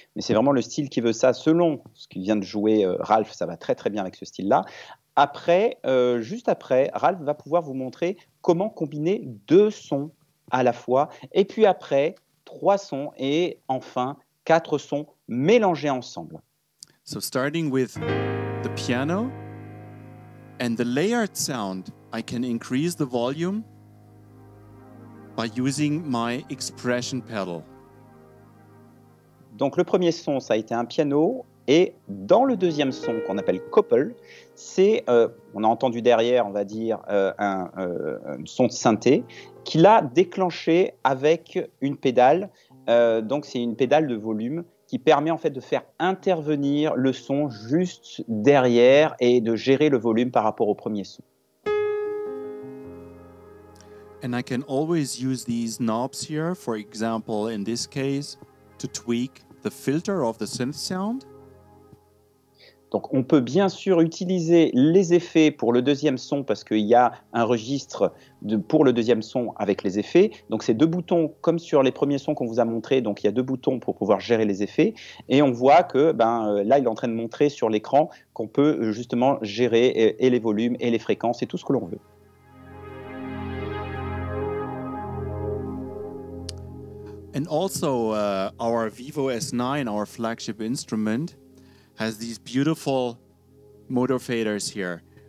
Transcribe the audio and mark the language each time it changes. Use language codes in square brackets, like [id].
[fr] Mais c'est vraiment le style qui veut ça. Selon ce qu'il vient de jouer, Ralph, ça va très très bien avec ce style-là. Après, juste après, Ralph va pouvoir vous montrer comment combiner deux sons à la fois. Et puis après, trois sons et enfin, quatre sons mélangés ensemble. [en] So starting with the piano and the layered sound, I can increase the volume by using my expression pedal. [fr] Donc le premier son, ça a été un piano, et dans le deuxième son qu'on appelle couple, c'est, on a entendu derrière, on va dire, un son de synthé qu'il a déclenché avec une pédale, donc c'est une pédale de volume qui permet en fait de faire intervenir le son juste derrière et de gérer le volume par rapport au premier son. [en] And I can always use these knobs here, for example, in this case, to tweak the filter of the synth sound. [fr] Donc on peut bien sûr utiliser les effets pour le deuxième son parce qu'il y a un registre pour le deuxième son avec les effets. Donc c'est deux boutons comme sur les premiers sons qu'on vous a montrés. Donc il y a deux boutons pour pouvoir gérer les effets. Et on voit que ben, là, il est en train de montrer sur l'écran qu'on peut justement gérer et les volumes et les fréquences et tout ce que l'on veut. [en] And also our Vivo S9, our flagship instrument, has these beautiful motor faders here.